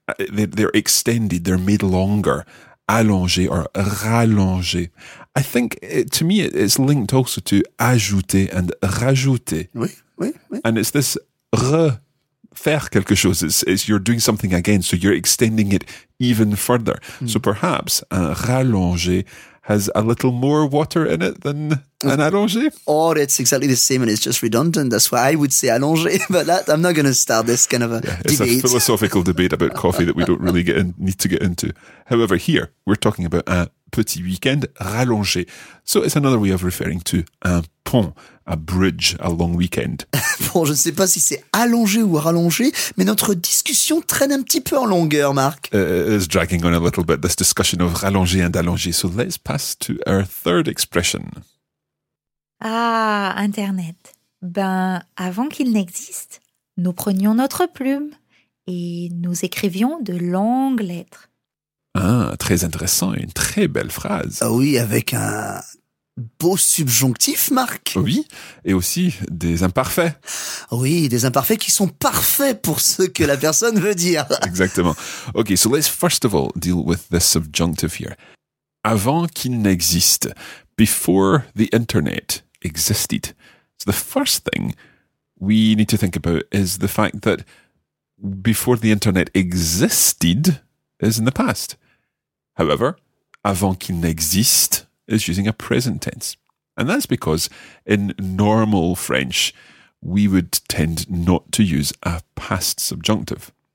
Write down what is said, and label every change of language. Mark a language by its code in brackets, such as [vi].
[en] They're extended, they're made longer. Allongé or rallongé. I think, to me, it's linked also to ajouter and rajouter. [fr] Oui, oui, oui. [en] And it's this [fr] faire quelque chose. [en] It's you're doing something again, so you're extending it even further. Mm. So perhaps un rallongé has a little more water in it than an allongé? Or it's exactly the same and it's just redundant. That's why I would say allongé, but that, I'm not going to start this kind of a debate. It's a philosophical debate about coffee that we don't really need to get into. However, here, we're talking about [fr] un petit week-end rallongé. [en] So it's another way of referring to [fr] un pont, [en] a bridge, a long weekend. [fr] Bon, je ne sais pas si c'est allongé ou rallongé, mais notre discussion traîne un petit peu en longueur, Marc. [en] It's dragging on a little bit, this discussion of rallongé and allongé. So let's pass to our third expression. [fr] Ah, Internet. Ben, avant qu'il n'existe, nous prenions notre plume et nous écrivions de longues lettres. Ah, très intéressant, une très belle phrase. Ah oui, avec un beau subjonctif, Marc. Oui, et aussi des imparfaits. Oui, des imparfaits qui sont parfaits pour ce que la personne veut dire. Exactement. [en] Ok, so let's first of all deal with the subjunctive here. [fr] Avant qu'il n'existe, [en] before the internet existed. So the first thing we need to think about is the fact that before the internet existed is in the past. However, [fr] avant qu'il n'existe [en] is using a present tense. And that's because in normal French, we would tend not to use a past subjunctive.